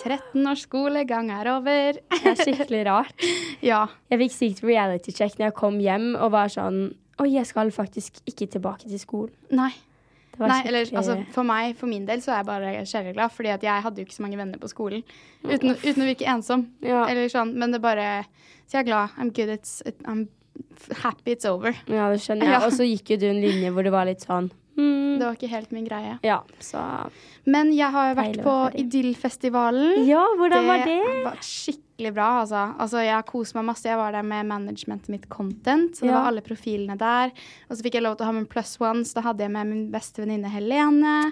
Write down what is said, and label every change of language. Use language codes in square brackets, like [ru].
[no] 13 års skolegang over. Det er skikkelig rart. Ja. Jeg fikk sykt reality check når jeg kom hjem og var sånn, oi, jeg skal faktisk ikke tilbake til skolen. Nei. Nei, eller altså, for meg, for min del, så er jeg bare kjærlig glad, fordi at jeg hadde jo ikke så mange venner på skolen, uten å virke ensom, ja. Eller sånn, men det bare, så jeg glad, [en] I'm good, I'm happy it's over. [no] Ja, det skjønner jeg, ja. Og så gikk jo du en linje hvor det var litt sånn. Det var ikke helt min greie. Ja, så. Men jeg har jo vært på Idyllfestivalen. Ja, hvordan var det? Det var skikkelig bra, altså. Altså, jeg koset meg masse, jeg var der med managementet mitt content, så det var alle profilene der. Og så fikk jeg lov til å ha min plus one, så da hadde jeg med min beste venninne Helene.